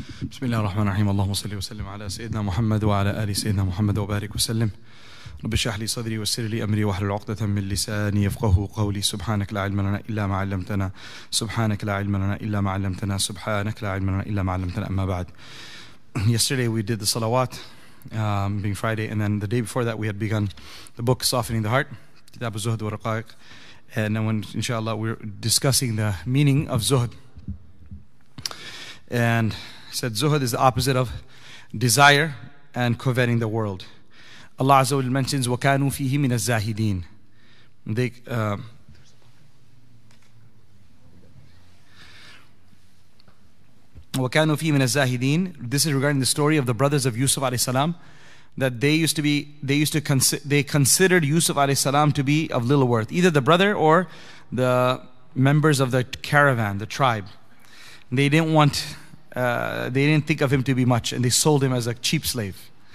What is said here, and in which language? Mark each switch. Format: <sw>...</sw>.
<ar>بسم الله الرحمن الرحيم اللهم صل وسلم على سيدنا محمد وعلى آل سيدنا محمد وبارك وسلم رب اشرح لي صدري ويسر لي أمري واحلل عقدة من لساني يفقهوا قولي سبحانك لا علم لنا إلا ما علمتنا سبحانك لا علم لنا إلا ما علمتنا سبحانك لا علم لنا إلا ما علمتنا أما بعد.</ar> <en>Yesterday we did the salawat being Friday, and then the day before that we had begun the book Softening the Heart,</en> <ar>كتاب الزهد والرقائق,</ar> <en>and then when inshallah we're discussing the meaning of zuhd, and said zuhud is the opposite of desire and coveting the world. Allah Azza wa Jalla mentions</en> <ar>وَكَانُوا فِيهِ مِنَ الزَّاهِدِينَ.</ar> <en>They</en> <ar>وَكَانُوا فِيهِ مِنَ الزَّاهِدِينَ.</ar> <en>This is regarding the story of the brothers of Yusuf alayhi salam, that they considered Yusuf alayhi salam to be of little worth, either the brother or the members of the caravan, the tribe. They didn't want. They didn't think of him to be much, and they sold him as a cheap slave.</en>